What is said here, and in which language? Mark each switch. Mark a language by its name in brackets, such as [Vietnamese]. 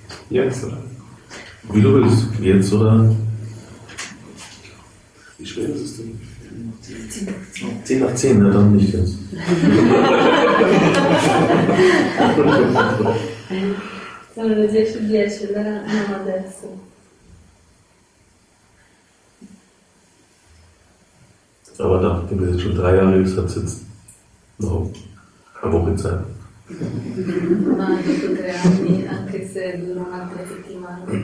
[German] Jetzt, oder? Wie du willst, jetzt, oder? Wie schwer ist es denn? 10 nach 10, na dann nicht jetzt. [Italian] Sono le 10:10, allora andiamo adesso. [German] Aber da, wenn du jetzt schon 3 Jahre übst, hat es jetzt noch eine Woche Zeit. [Italian] Ma dopo 3 anni, anche se dura un'altra settimana.